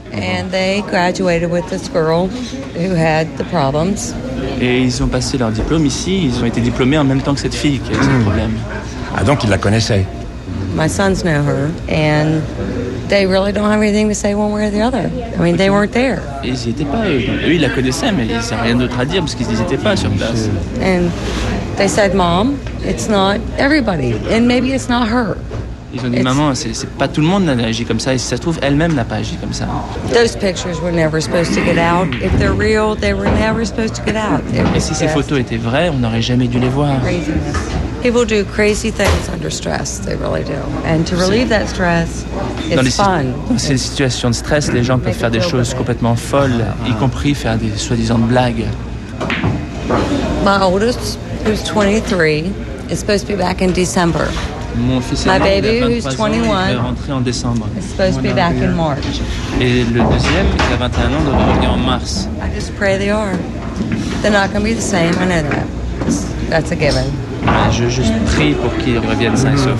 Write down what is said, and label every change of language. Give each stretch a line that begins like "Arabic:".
English: And they graduated with this girl who had the problems.
French: Et ils ont passé leur diplôme ici. Ils ont été diplômés en même temps que cette fille qui a eu ce problème. Ah, donc ils la connaissaient.
English: My sons know her. And they really don't have anything to say one way or the other. I mean, they weren't there.
French: Ils n'y étaient pas, eux. Eux, ils la connaissaient, mais ils n'avaient rien d'autre à dire parce qu'ils n'y étaient pas sur place.
English: And they said, Mom, it's not everybody. And maybe it's not her.
French: Ils ont dit, Maman, c'est pas tout le monde qui a agi comme ça. Et si ça se trouve, elle-même n'a pas agi comme ça.
English: Those pictures were never supposed to get out. If they're real, they were never supposed to get out.
French: Et si ces photos étaient vraies, on n'aurait jamais dû les voir.
English: Craziness. People do crazy things under stress, they really do. And to relieve that stress, it's fun.
French: Dans ces situations de stress, les gens peuvent faire des choses complètement folles, y compris faire des soi-disant blagues.
English: My oldest, who's 23, is supposed to be back in December.
French: Mon fils aîné,
English: baby,
French: il a 23
English: who's 21,
French: ans, il devrait rentrer en décembre.
English: Is supposed to be back in March.
French: Et le deuxième, qui a 21 ans, devrait revenir en mars.
English: I just pray they are. They're not going to be the same, I know that. That's a given.
French: Mais je juste prie pour qu'ils reviennent sains et saufs.